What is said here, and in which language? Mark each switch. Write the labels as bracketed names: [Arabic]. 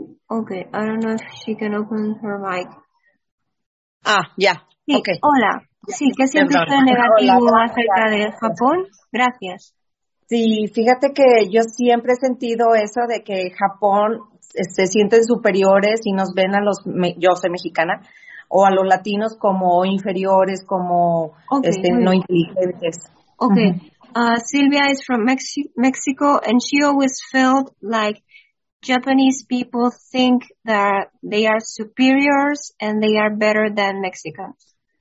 [English] Okay, I don't know if she can open her mic. [Spanish] Sí, okay. Hola. Sí, ¿qué siente usted negativo acerca de Japón? Gracias. Sí, fíjate que yo siempre he sentido eso de que Japón se sienten superiores y nos ven a los, yo soy mexicana, o a los latinos como inferiores, como no inteligentes. [English] Okay, Silvia is from Mexico and she always felt like Japanese people think that they are superiors and they are better than Mexicans.